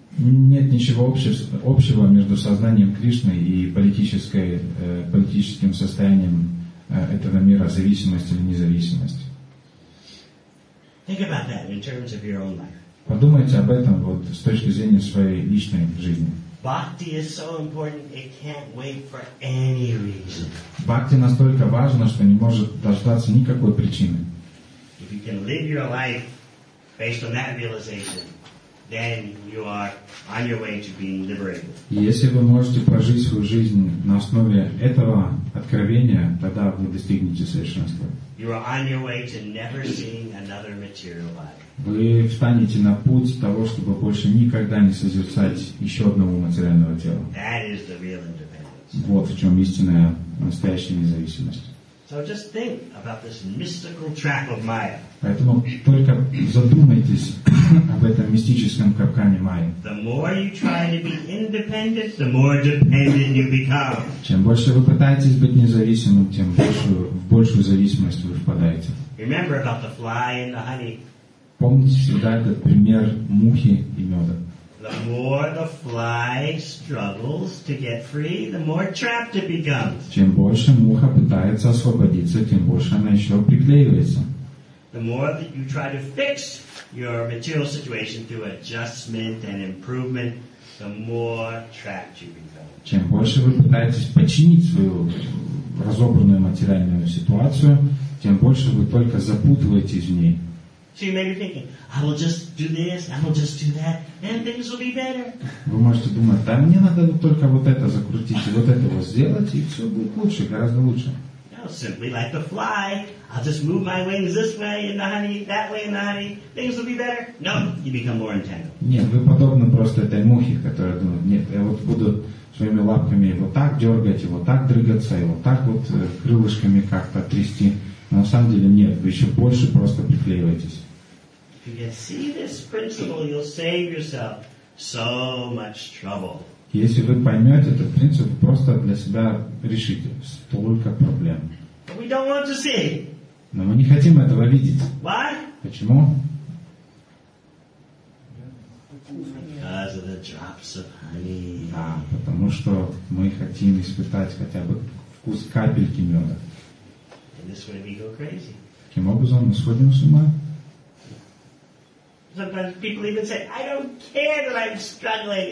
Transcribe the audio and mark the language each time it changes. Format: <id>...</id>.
<ru>Нет ничего общего между сознанием Кришны и политическим состоянием этого мира, зависимость или независимость.</ru> <en>Think about that in terms of your own life.</en> <ru>Подумайте об этом вот с точки зрения своей личной жизни.</ru> <en>Bhakti is so important, it can't wait for any reason.</en> <ru>Бхакти настолько важно, что не может дождаться никакой причины.</ru> <en>If you can live your life based on that realization, then you are on your way to being liberated.</en> <ru>Если вы можете прожить свою жизнь на основе этого откровения, тогда вы достигнете совершенства.</ru> <en>You are on your way to never seeing another material body.</en> <ru>Вы встанете на путь того, чтобы больше никогда не созерцать еще одного материального тела.</ru> <en>That is the real independence.</en> <ru>Вот в чем истинная настоящая независимость.</ru> <en>So just think about this mystical track of Maya.</en> <ru>Поэтому только задумайтесь об этом мистическом капкане Майи.</ru> <en>The more you try to be independent, the more dependent you become.</en> <ru>Чем больше вы пытаетесь быть независимым, тем в большую зависимость вы впадаете.</ru> <en>Remember about the fly and the honey.</en> <ru>Помните всегда этот пример мухи и меда.</ru> <en>The more the fly struggles to get free, the more trapped it becomes.</en> <ru>Чем больше муха пытается освободиться, тем больше она еще приклеивается.</ru> <en>The more that you try to fix your material situation through adjustment and improvement, the more trapped you become.</en> <ru>Чем больше вы пытаетесь починить свою разобранную материальную ситуацию, тем больше вы только запутываетесь в ней.</ru> <en>So you may be thinking, I will just do this, I will just do that, and things will be better.</en> <ru>Вы можете думать, да, мне надо только вот это закрутить, и вот это вот сделать, и все будет лучше, гораздо лучше.</ru> <en>No, simply like the fly. I'll just move my wings this way in the honey, that way in the honey. Things will be better. No, you become more entangled.</en> <ru>Нет, вы подобны просто этой мухе, которая думает, нет, я вот буду своими лапками вот так дергать, и вот так дрыгаться, и вот так вот крылышками как-то трясти. Но на самом деле нет, вы еще больше просто приклеиваетесь.</ru> <en>If you can see this principle, you'll save yourself so much trouble.</en> <ru>Если вы поймете этот принцип, просто для себя решите столько проблем.</ru> <en>But we don't want to see.</en> <ru>Но мы не хотим этого видеть.</ru> <en>Why?</en> <ru>Почему?</ru> <en>Because of the drops of honey.</en> <ru>А, потому что мы хотим испытать хотя бы вкус капельки меда.</ru> <en>And this way we go crazy.</en> <ru>Таким образом мы сходим с ума.</ru> <en>Sometimes people even say, I don't care that I'm struggling.</en>